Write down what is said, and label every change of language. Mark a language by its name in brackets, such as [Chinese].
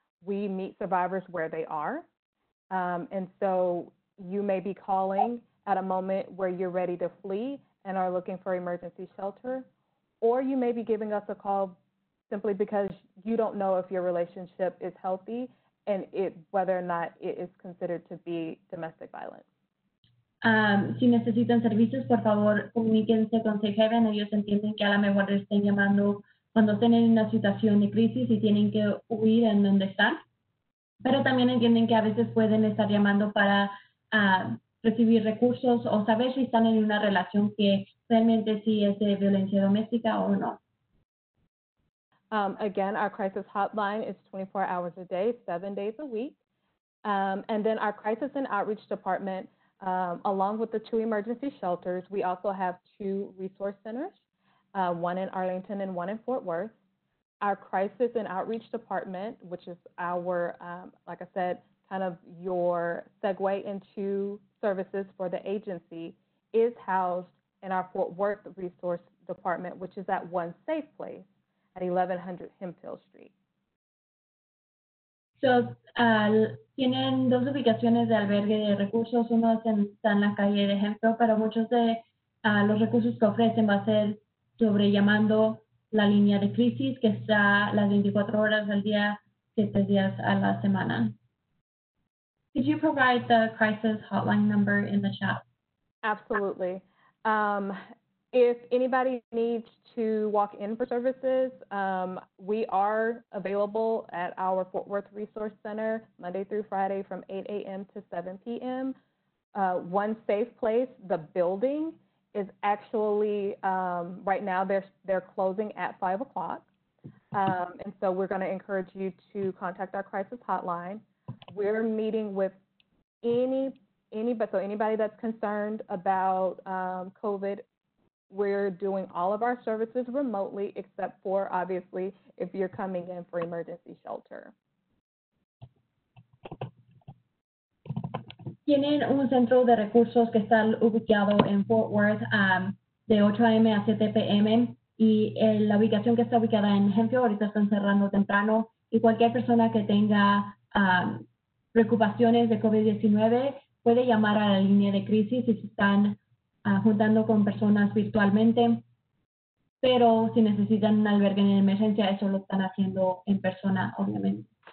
[English] We meet survivors where they are. And so you may be calling at a moment where you're ready to flee and are looking for emergency shelter. Or you may be giving us a call simply because you don't know if your relationship is healthy and it, whether or not it is considered to be domestic violence. [Spanish] Si necesitan servicios, por favor, comuníquense con Safe Haven. Ellos entienden que a lo mejor estén llamando cuando estén en una situación de crisis y tienen que huir en donde están. Pero también entienden que a veces pueden estar llamando para recibir recursos o saber si están en una relación que realmente sí es de violencia doméstica o no. [English] Again, our crisis hotline is 24 hours a day, 7 days a week. And then our crisis and outreach department, along with the two emergency shelters, we also have two resource centers, one in Arlington and one in Fort Worth. Our crisis and outreach department, which is our, like I said, kind of your segue into services for the agency, is housed in our Fort Worth resource department, which is at One Safe Place at 1100 Hemphill Street. [Spanish] So, tienen dos ubicaciones de albergue de recursos. Uno está en la calle de Hemphill, pero muchos de los recursos que ofrecen va a ser sobre llamando la línea de crisis que está las 24 horas al día, 7 días a la semana. [English] Could you provide the crisis hotline number in the chat? Absolutely. If anybody needs to walk in for services, we are available at our Fort Worth Resource Center Monday through Friday from 8 a.m. to 7 p.m. One Safe Place, the building, is actually, right now they're closing at 5 o'clock. And so we're going to encourage you to contact our crisis hotline. We're meeting with anybody that's concerned about COVID. We're doing all of our services remotely, except for, obviously, if you're coming in for emergency shelter. [Spanish] Tienen un centro de recursos que está ubicado en Fort Worth de 8 a.m. a 7 p.m. Y la ubicación que está ubicada en Hemphill ahorita están cerrando temprano. Y cualquier persona que tenga preocupaciones de COVID-19 puede llamar a la línea de crisis si están juntando con personas virtualmente, pero si necesitan un albergue en emergencia, eso lo están haciendo en persona, obviamente.